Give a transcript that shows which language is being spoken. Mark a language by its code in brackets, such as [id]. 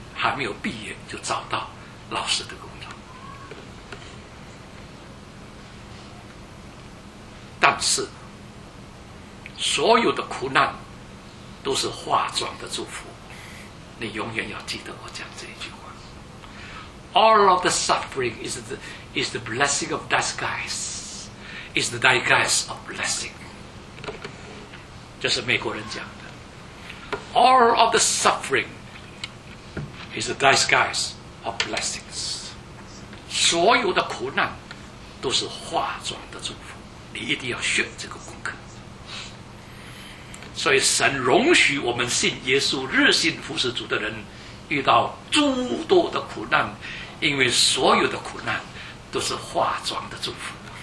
[zh] 还没有毕业就找到老师的工作。但是所有的苦难都是化妆的祝福，你永远要记得我讲这一句话。 [en] All of the suffering is the blessing of disguise, is the disguise of blessing. [zh] 这是美国人讲的。 [en] All of the suffering is the disguise of blessings. [zh] 所有的苦难都是化妆的祝福，你一定要学这个功课。所以神容许我们信耶稣、日信服事主的人遇到诸多的苦难，因为所有的苦难都是化妆的祝福。